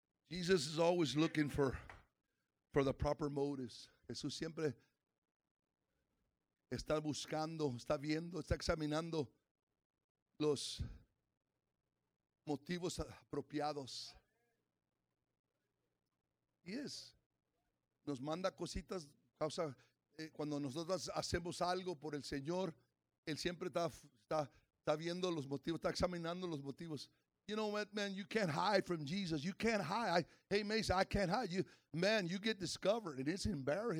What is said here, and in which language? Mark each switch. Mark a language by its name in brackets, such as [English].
[English] Jesus is always looking for the proper motives. [Spanish] Jesús siempre está buscando, está viendo, está examinando los motivos apropiados. Y es, nos manda cositas, causa, cuando nosotros hacemos algo por el Señor, Él siempre está viendo los motivos, está examinando los motivos. [English] You know what, man, you can't hide from Jesus. You can't hide. Hey, Mason, I can't hide. You, man, you get discovered, and it's embarrassing.